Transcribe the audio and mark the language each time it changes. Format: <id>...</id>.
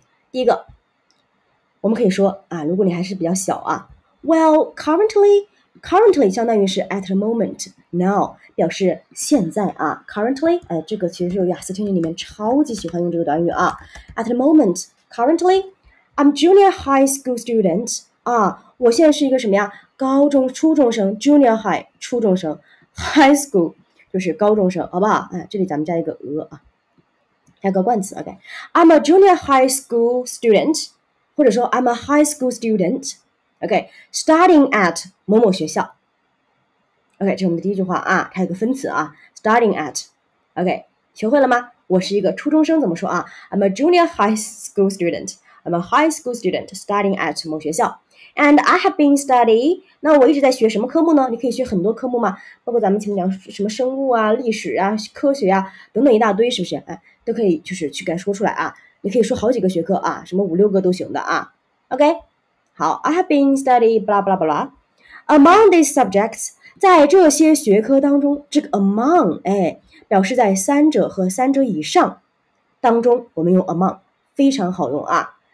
<zh>第一个，我们可以说啊，如果你还是比较小啊 ，</zh> <en>Well, currently</en> <zh>相当于是</zh> <en>at the moment, now</en> <zh>表示现在啊 ，currently 这个其实是雅思听力里面超级喜欢用这个短语啊 ，at the moment, currently,</zh> <en>I'm junior high school student</en> <zh>啊，我现在是一个什么呀？高中初中生 ，junior high 初中生 ，high school 就是高中生，好不好？哎，这里咱们加一个鹅啊。加个冠词 ，OK。</zh> <en>I'm a junior high school student， 或者说 I'm a high school student，OK、okay,。 Starting at</en> <zh>某某学校</zh> <en>，OK。</en> <zh>这是我们的第一句话啊，它有个分词啊 ，starting at，OK、okay,。学会了吗？我是一个初中生，怎么说啊 ？</zh> <en>I'm a junior high school student。 I'm a high school student starting at</en> <zh>某学校。</zh> <en>And I have been studying。</en> <zh>那我一直在学什么科目呢？你可以学很多科目嘛，包括咱们前面讲什么生物啊、历史啊、科学啊等等一大堆，是不是？哎，都可以就是去敢说出来啊。你可以说好几个学科啊，什么五六个都行的啊。 OK， 好 ，</zh> <en>I have been studying blah blah blah among these subjects，</en> <zh>在这些学科当中，这个 among 哎，表示在三者和三者以上当中，我们用 among 非常好用啊。</zh>